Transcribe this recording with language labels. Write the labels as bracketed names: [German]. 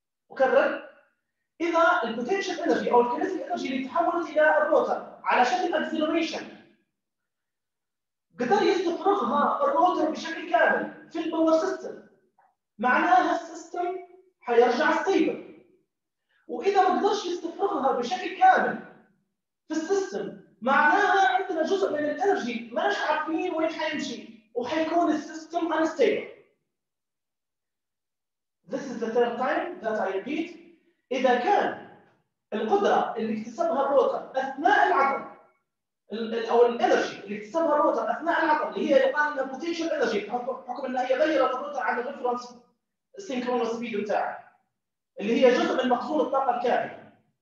[Arabic] اكرر، اذا البوتنشال انرجي او الكينيتيك انرجي اللي تحولت الى الروتر على شكل اكسلريشن قدر يستفرغها الروتر بشكل كامل في الباور سيستم، معناها السيستم حيرجع ستيبل. واذا ما قدرش يستفرغها بشكل كامل في السيستم معناها عندنا جزء من الانرجي مش عارفين وين حيمشي وحيكون السيستم انستيبل. [English] This is the third time that I repeat. [Arabic] اذا كان القدرة اللي اكتسبها الروتر اثناء العقل او الانرجي اللي اكتسبها الروتر اثناء العقل اللي هي يقال انها بوتنشال انرجي بحكم انها هي غيرت الروتر عن الريفرنس سينكرونس سبيد بتاعه اللي هي جزء من مخزون الطاقة الكامنة.